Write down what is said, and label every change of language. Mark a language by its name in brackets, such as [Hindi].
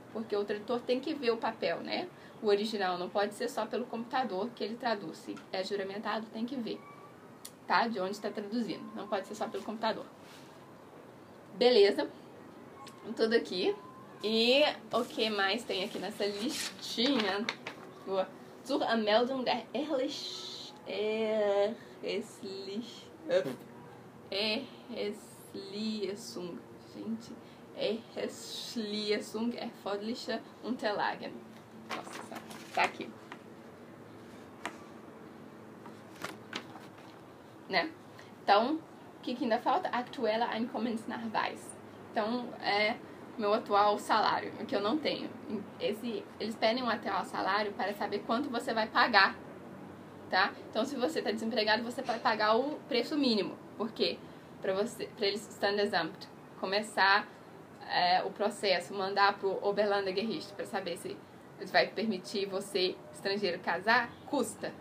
[Portuguese] Porque o tradutor tem que ver o papel, né? O original não pode ser só pelo computador que ele traduz. Se é juramentado, tem que ver, tá? De onde está traduzindo. Não pode ser só pelo computador. Beleza. Tudo aqui. E o que mais tem aqui nessa listinha? [German] Zur Anmeldung der Erschließung. Gente. Erschließung erforderliche Unterlagen. [Portuguese] Nossa, tá aqui. Né? Então, o que ainda falta? [German] Aktueller Einkommensnachweis. [Portuguese] Então, é meu atual salário, que eu não tenho. Eles pedem um atual salário para saber quanto você vai pagar. Tá? Então, se você está desempregado, você vai pagar o preço mínimo. Por quê? Para eles, stand exempt, começar o processo, mandar para o Oberlandesgericht para saber se vai permitir você, estrangeiro, casar, custa.